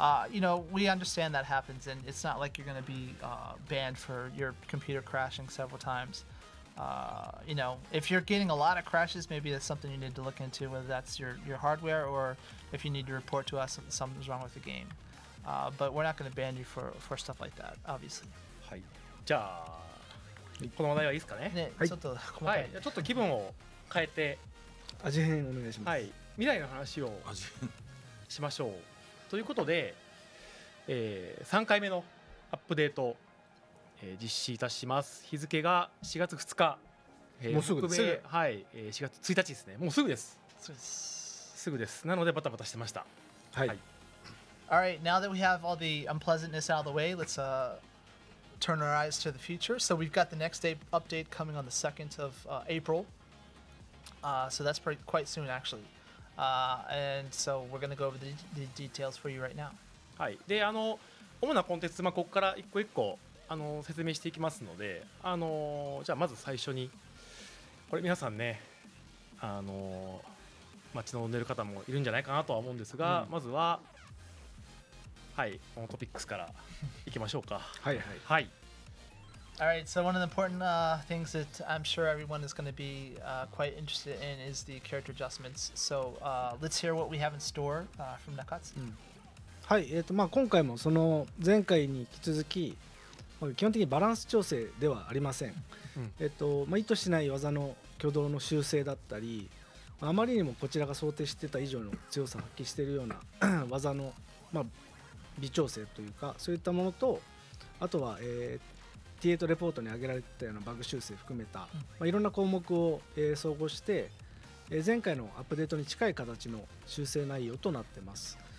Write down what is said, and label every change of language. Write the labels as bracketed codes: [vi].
[en] You know, we understand that happens, and it's not like you're gonna be banned for your computer crashing several times. You know, if you're getting a lot of crashes, maybe that's something you need to look into, whether that's your hardware or if you need to report to us something's wrong with the game. But we're not going to ban you for stuff like that, obviously. [ja] はい。じゃあ、この話題はいいですかね。ね、はい、ちょっと細かい。はい。ちょっと気分を変えて。味変お願いします。はい。未来の話をしましょう。ということで、3回目のアップデート。実施いたします。日付が4月2日、もうすぐです、はい、4月1日ですね。もうすぐです、そうです、すぐです。なのでバタバタしてました。はい、はい、 [en] All right, now that we have all the unpleasantness out of the way, let's turn our eyes to the future. So we've got the next day update coming on the 2nd of April. So that's pretty, quite soon actually. And so we're going to go over the details for you right now. [ja] はい、で、あの主なコンテンツ、まあ、ここから一個一個あの説明していきますので、じゃあまず最初にこれ皆さんね、待ち望んでる方もいるんじゃないかなとは思うんですが、うん、まずは、はい、このトピックスからいきましょうか。はいはい、はい、 [en] Alright, so one of the important things that I'm sure everyone is going to be quite interested in is the character adjustments. So let's hear what we have in store from Nakatsu. [ja] はい、まあ、今回もその前回に引き続きまあ、基本的にバランス調整ではありません、うん、まあ、意図しない技の挙動の修正だったり、あまりにもこちらが想定してた以上の強さを発揮しているような技の、まあ、微調整というか、そういったものと、あとは、T8 レポートに挙げられたようなバグ修正含めた、まあ、いろんな項目を、総合して、前回のアップデートに近い形の修正内容となってます。